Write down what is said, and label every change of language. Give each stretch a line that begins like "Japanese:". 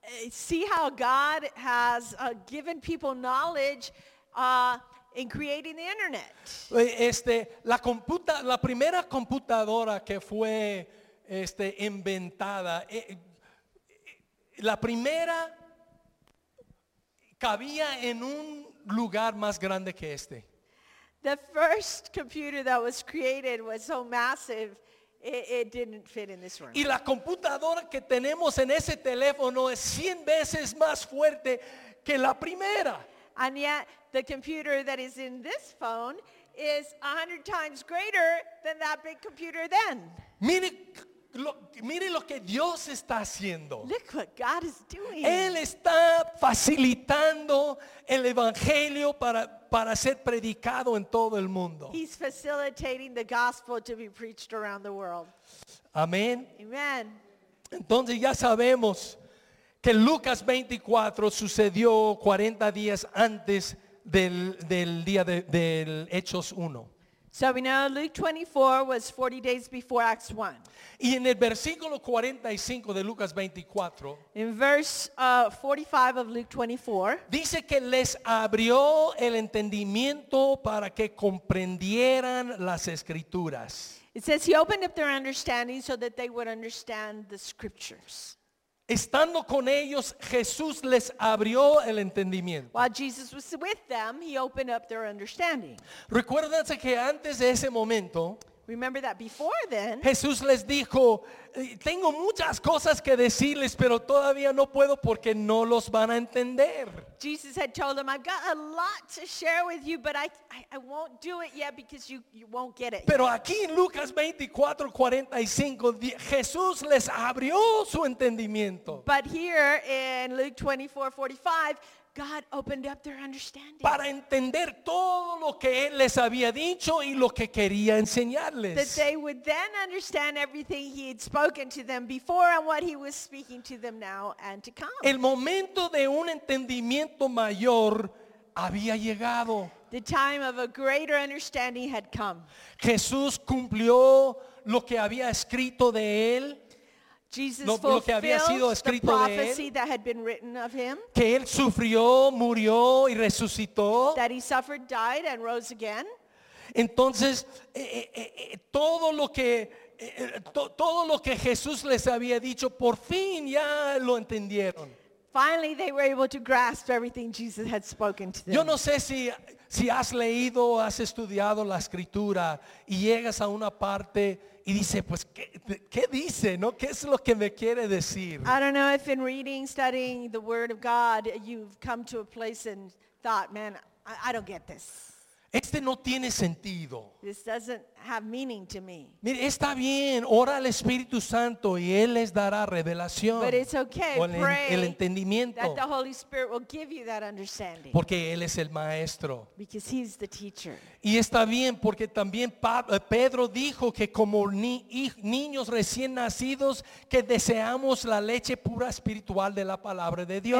English: See how God has given people knowledge in creating the internet.
Spanish: La primera computadora que fue inventada, la primera cabía en un lugar más grande que este.
English: The first computer that was created was so massive, it didn't fit in this room.
Spanish: Y la computadora que tenemos en ese teléfono es 100 veces más fuerte que la primera.
English: And yet, the computer that is in this phone is 100 times greater than that big computer then.
Spanish: Mire Mire lo que Dios está haciendo.
English: Look what God is doing.
Spanish: Él está facilitando el evangelio para ser predicado en todo el mundo.
English: He's facilitating the gospel to be preached around the world.
Spanish: Amén.
English: Amen.
Spanish: Entonces ya sabemos que Lucas 24 sucedió 40 días antes del día del Hechos 1.
English: So we know Luke 24 was 40 days before Acts 1.
Spanish: Y en el versículo 45 de Lucas 24.
English: In verse 45 of Luke 24.
Spanish: Dice que les abrió el entendimiento para que comprendieran las escrituras.
English: It says he opened up their understanding so that they would understand the scriptures.
Spanish: Estando con ellos, Jesús les abrió el entendimiento.
English: While Jesus was with them, he opened up their understanding.
Spanish: Recuérdense que antes de ese momento,
English: remember that before then,
Spanish: Jesús les dijo, tengo muchas cosas que decirles, pero todavía no puedo porque no los van a entender.
English: Jesus had told them, I've got a lot to share with you, but I won't do it yet because you won't get it.
Spanish: Pero Aquí en Lucas 24:45, Jesús les abrió su entendimiento.
English: But here in Luke 24:45, God opened up their understanding.
Spanish: Para entender todo lo que él les había dicho y lo que quería enseñarles.
English: That they would then understand everything he had spoken to them before and what he was speaking to them now and to come.
Spanish: El momento de un entendimiento mayor había llegado.
English: The time of a greater understanding had come.
Spanish: Jesús cumplió lo que había escrito de él.
English: Jesus fulfilled
Spanish: que había sido escrito
English: the prophecy
Spanish: de él,
English: that had been written of him.
Spanish: Que él sufrió, murió y resucitó.
English: That he suffered, died, and rose again.
Spanish: Entonces, todo lo que Jesús les había dicho, por fin ya lo entendieron.
English: Finally, they were able to grasp everything Jesus had spoken to them.
Spanish: Yo no sé si has leído, has estudiado la escritura y llegas a una parte y dice, pues, ¿qué dice? ¿No? ¿Qué es lo que me quiere decir?
English: I don't know if in reading, studying the Word of God, you've come to a place and thought, man, I don't get this.
Spanish: Este no tiene sentido.
English: This doesn't have meaning to me.
Spanish: Mire, está bien, ora al Espíritu Santo y Él les dará revelación.
English: But it's okay,
Spanish: o el entendimiento.
English: That the Holy Spirit will give you that understanding.
Spanish: Porque Él es el maestro.
English: Because he's the teacher.
Spanish: Y está bien, porque también Pedro dijo que como niños recién nacidos, que deseamos la leche pura espiritual de la palabra de Dios.